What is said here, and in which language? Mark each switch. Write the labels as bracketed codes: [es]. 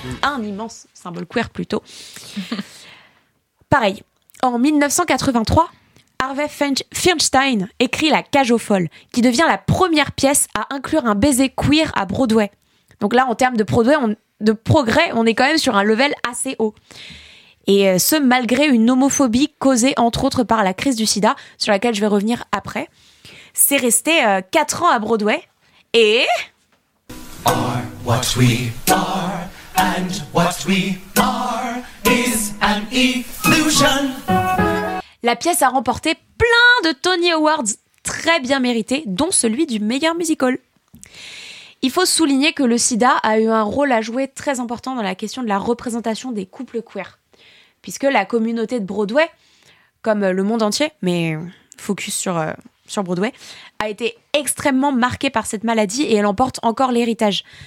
[fr] Un immense symbole queer, plutôt. Pareil, en 1983, Harvey Fierstein écrit La Cage aux Folles, qui devient la première pièce à inclure un baiser queer à Broadway. Donc là, en termes de Broadway, de progrès, on est quand même sur un level assez haut. Et ce, malgré une homophobie causée, entre autres, par la crise du sida, sur laquelle je vais revenir après. C'est resté 4 ans à Broadway et... [en] Are what we are, and what we are is an illusion. [fr] La pièce a remporté plein de Tony Awards très bien mérités, dont celui du meilleur musical. Il faut souligner que le sida a eu un rôle à jouer très important dans la question de la représentation des couples queer. Puisque la communauté de Broadway, comme le monde entier, mais focus sur Broadway, a été extrêmement marquée par cette maladie et elle en porte encore l'héritage.